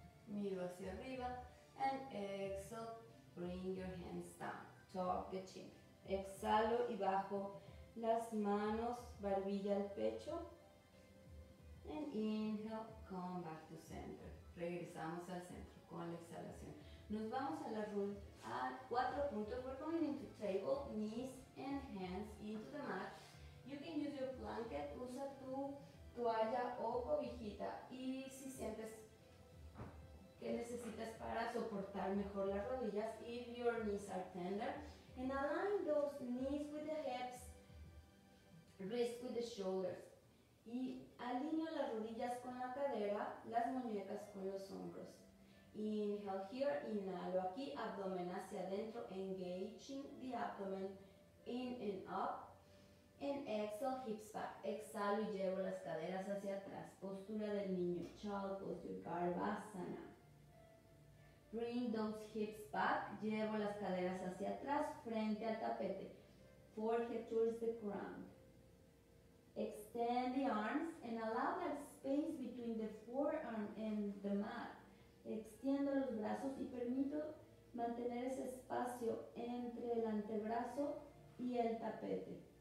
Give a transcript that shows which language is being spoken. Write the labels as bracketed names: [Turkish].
[Spanish] Miro hacia arriba. [English] And exhale, bring your hands down, tuck the chin. [Spanish] Exhalo y bajo las manos, barbilla al pecho. [English] And inhale, come back to center. [Spanish] Regresamos al centro con la exhalación. Nos vamos a la rule a cuatro puntos. [English] We're going into table, knees and hands into the mat. You can use your blanket, [Spanish] usa tu toalla o cobijita. Y si sientes que necesitas para soportar mejor las rodillas, [English] if your knees are tender. And align those knees with the hips, wrists with the shoulders. [Spanish] Y alineo las rodillas con la cadera, las muñecas con los hombros. [English] Inhale here, [Spanish] inhalo aquí, abdomen hacia adentro, [English] engaging the abdomen in and up. And exhale, hips back. [Spanish] Exhalo y llevo las caderas hacia atrás. Postura del niño, [English] child posture, [Spanish] garbhasana. [English] Bring those hips back. [Spanish] Llevo las caderas hacia atrás, frente al tapete. [English] forehead towards the ground. Extend the arms and allow that space between the forearm and the mat. [Spanish] Extiendo los brazos y permito mantener ese espacio entre el antebrazo y el tapete.